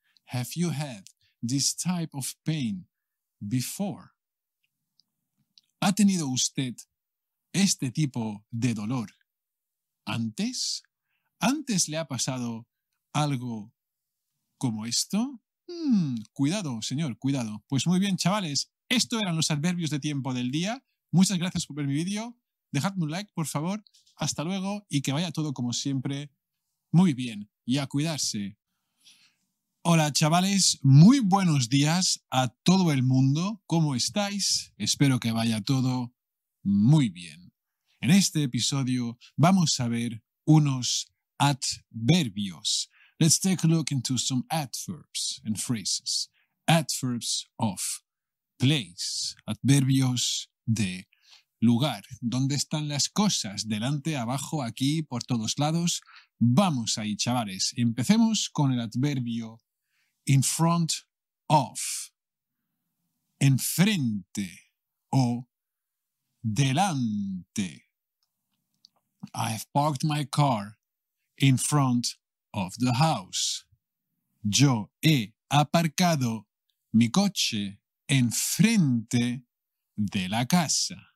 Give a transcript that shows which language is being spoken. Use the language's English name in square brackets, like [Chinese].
[English] Have you had this type of pain before? [Spanish] ¿Ha tenido usted este tipo de dolor antes? ¿Antes le ha pasado algo como esto? Cuidado, señor, cuidado. Pues muy bien, chavales. Esto eran los adverbios de tiempo del día. Muchas gracias por ver mi vídeo. Dejadme un like, por favor. Hasta luego y que vaya todo como siempre muy bien y a cuidarse. Hola, chavales. Muy buenos días a todo el mundo. ¿Cómo estáis? Espero que vaya todo muy bien. En este episodio vamos a ver unos adverbios. [English] Let's take a look into some adverbs and phrases. Adverbs of place, [Spanish] adverbios de lugar. ¿Dónde están las cosas? Delante, abajo, aquí, por todos lados. Vamos ahí, chavales. Empecemos con el adverbio in front of. Enfrente o delante. [English] I have parked my car in front of the house. [Spanish] Yo he aparcado mi coche enfrente de la casa.